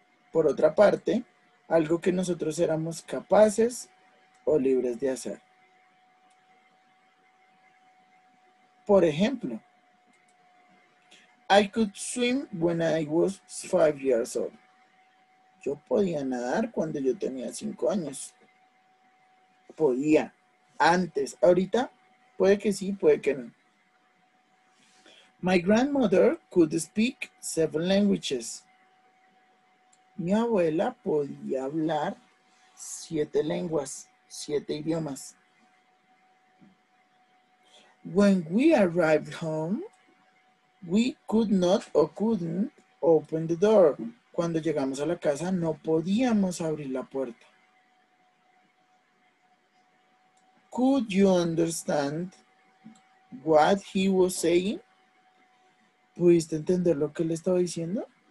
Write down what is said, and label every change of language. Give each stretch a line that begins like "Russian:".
Spanish: Por otra parte, algo que nosotros éramos capaces o libres de hacer. Por ejemplo,
English: I could swim when I was 5 years old.
Spanish: Yo podía nadar cuando yo tenía 5 años. Podía. Antes. Ahorita, puede que sí, puede que no.
English: My grandmother could speak 7 languages.
Spanish: Mi abuela podía hablar 7 lenguas, 7 idiomas.
English: When we arrived home, we could not or couldn't open the door.
Spanish: Cuando llegamos a la casa, no podíamos abrir la puerta.
English: Could you understand what he was saying?
Spanish: ¿Pudiste entender lo que le estaba diciendo?